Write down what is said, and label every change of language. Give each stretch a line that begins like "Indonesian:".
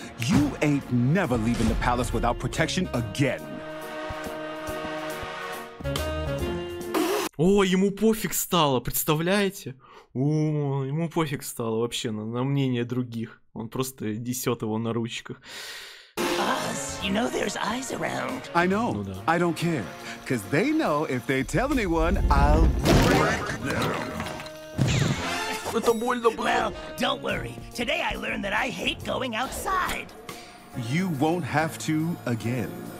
English: You ain't never leaving the palace without protection again.
Russian: О, ему пофиг стало, представляете? О, ему пофиг стало вообще на мнение других. Он просто несет его на ручках.
English: Us, you know there's eyes around. I know.
Russian: Ну, да.
English: I don't care, 'cause they know if they tell anyone, I'll break them.
Russian: Это больно было.
English: Well, don't worry. Today I learned that I hate going outside. You won't have to again.